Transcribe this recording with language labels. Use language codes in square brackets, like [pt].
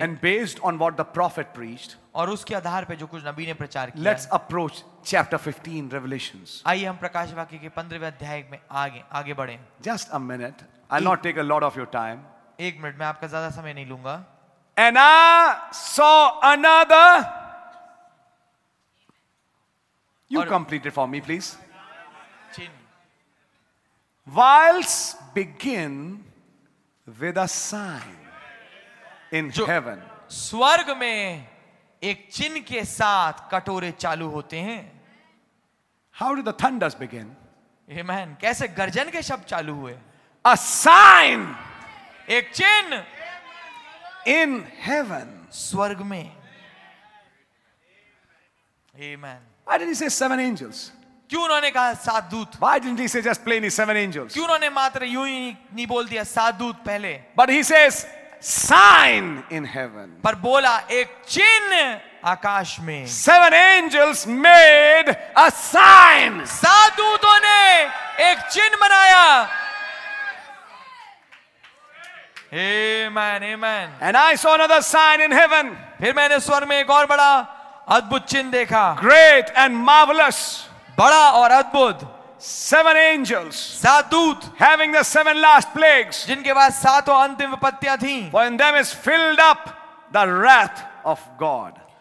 [en] And based on what the prophet preached, [hi] और उसके आधार पे जो कुछ नबी ने प्रचार किया, [en] let's approach chapter 15 Revelations. [hi] आइए हम प्रकाश वाक्य के 15वें अध्याय में आगे बढ़ें. [en] Just a minute. I'll not take a lot of your time. [hi] एक मिनट मैं आपका ज़्यादा समय नहीं लूँगा. [en] And I saw another. You complete it for me, please. Vials begin. With a sign in heaven. [hi] स्वर्ग में एक चिन्ह के साथ कटोरे चालू होते हैं. [en] How did the thunders begin? Amen. [hi] कैसे गर्जन के शब्द चालू हुए? [en] A sign. [hi] एक चिन्ह. [en] In heaven. [hi] स्वर्ग में. [en] Amen. Why didn't he say seven angels? [hi] क्यों उन्होंने कहा सात दूत? [en] Why didn't he say just plainly seven angels? [hi] क्यों उन्होंने मात्र यूं ही नहीं बोल दिया सात दूत पहले? [en] But he says sign in heaven. [hi] पर बोला एक चिन्ह आकाश में. [en] Seven angels made a sign. [hi] सात दूतों ने एक चिन्ह बनाया. [en] Amen, amen. And I saw another sign in heaven. [hi] फिर मैंने स्वर्ग में एक और बड़ा अद्भुत चिन्ह देखा. [en] Great and marvelous. [hi] बड़ा और अद्भुत. [en] seven angels [hi] सात दूत. [en] having the seven last plagues [hi] जिनके पास सातों अंतिम विपत्तियां थीं. [en] for in them is filled up the wrath of God